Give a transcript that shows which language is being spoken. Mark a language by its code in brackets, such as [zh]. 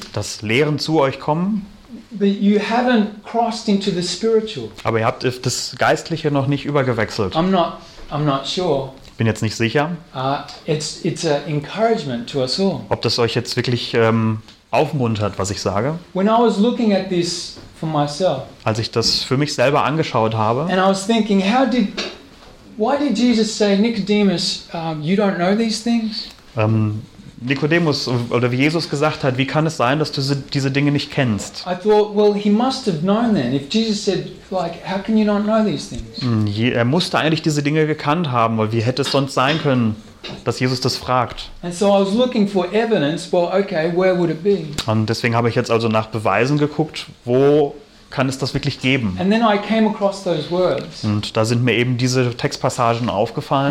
[de] Dass Lehren zu euch kommen. [en] But you haven't crossed into the spiritual. [de] Aber ihr habt das Geistliche noch nicht übergewechselt. [en] I'm not sure. [de] Bin jetzt nicht sicher. [en] It's an encouragement to us all. [de] Ob das euch jetzt wirklich aufmuntert, was ich sage. [en] When I was looking at this for myself. [de] Als ich das für mich selber angeschaut habe. [en] And I was thinking, why did Jesus say, Nicodemus, you don't know these things? [de] Nicodemus, oder wie Jesus gesagt hat, wie kann es sein, dass du diese Dinge nicht kennst? [en] I thought, well, he must have known then. If Jesus said, like, how can you not know these things? [de] Er musste eigentlich diese Dinge gekannt haben, weil wie hätte es sonst sein können, dass Jesus das fragt? [en] And so I was looking for evidence. Well, okay, where would it be? [de] Und deswegen habe ich jetzt also nach Beweisen geguckt, wo kann es das wirklich geben? [en] And then I came across those words. [de] Und da sind mir eben diese Textpassagen aufgefallen.